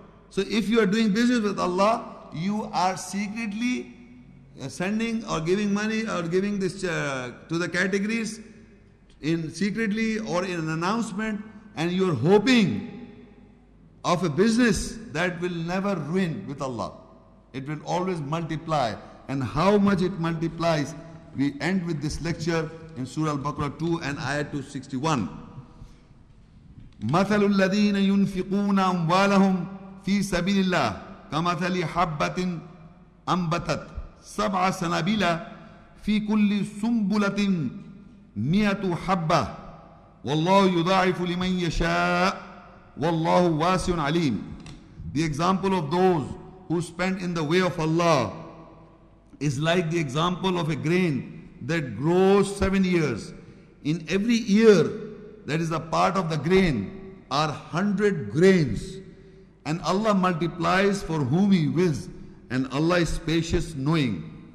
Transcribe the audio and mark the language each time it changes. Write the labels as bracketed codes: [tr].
[en] So if you are doing business with Allah, you are secretly sending or giving money or giving this to the categories in secretly or in an announcement, and you are hoping of a business that will never ruin with Allah. It will always multiply. And how much it multiplies, we end with this lecture in Surah Al-Baqarah 2 and Ayah 261. [ar] مَثَلُ الَّذِينَ يُنْفِقُونَ أَمْوَالَهُمْ فِي سَبِيلِ اللَّهِ كَمَثَلِ حَبَّةٍ أَنْبَتَتْ سبع سنابل في كل سنبلة مئة حبة والله يضاعف لمن يشاء والله واسع عليم. [en] The example of those who spend in the way of Allah is like the example of a grain that grows 7 years. In every ear that is a part of the grain are 100 grains, and Allah multiplies for whom He wills, and Allah is spacious, knowing.